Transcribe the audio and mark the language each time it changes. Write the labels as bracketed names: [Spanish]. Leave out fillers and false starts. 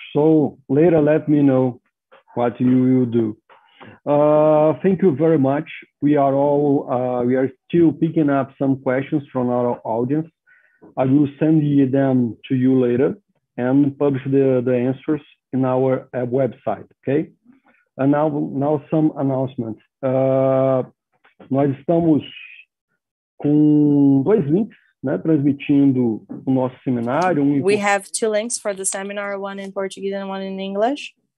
[English] So later, let me know what you will do. Thank you very much. We are still picking up some questions from our audience. I will send them to you later and publish the answers in our website, okay? And now some announcements. [Portuguese] Nós estamos com dois links, né, transmitindo o nosso seminário. [English] We have two links for the seminar, one in Portuguese and one in English.